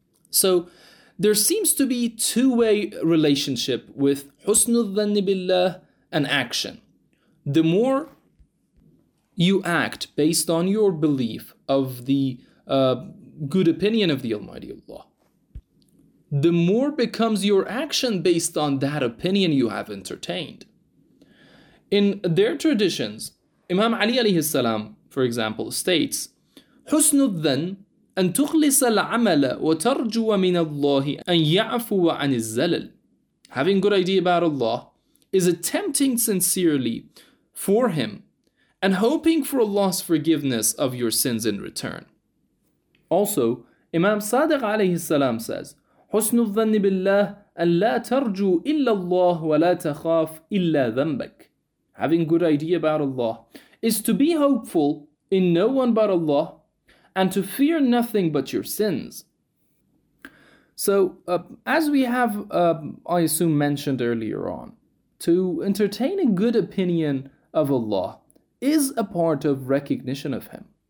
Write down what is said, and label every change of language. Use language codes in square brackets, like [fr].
[en] So there seems to be two-way relationship with husnul dhanni billah and action. The more you act based on your belief of the good opinion of the Almighty Allah, the more becomes your action based on that opinion you have entertained. In their traditions, Imam Ali alayhi salam, for example, states, [ar] حُسْنُ الظَّنِّ أَن تُخْلِصَ الْعَمَلَ وَتَرْجُوَ مِنَ اللَّهِ أَن يَعْفُوَ عَنِ الزَّلَلِ. [en] Having good idea about Allah is attempting sincerely for Him and hoping for Allah's forgiveness of your sins in return. Also, Imam Sadiq alayhi salam says, [ar] حُسْنُ الظَّنِّ بِاللَّهِ أَن لَا تَرْجُوا إِلَّا اللَّهُ وَلَا تَخَافْ إِلَّا ذَنْبَكَ. [en] Having good idea about Allah is to be hopeful in no one but Allah and to fear nothing but your sins. So, as we have, I assume, mentioned earlier on, to entertain a good opinion of Allah is a part of recognition of Him.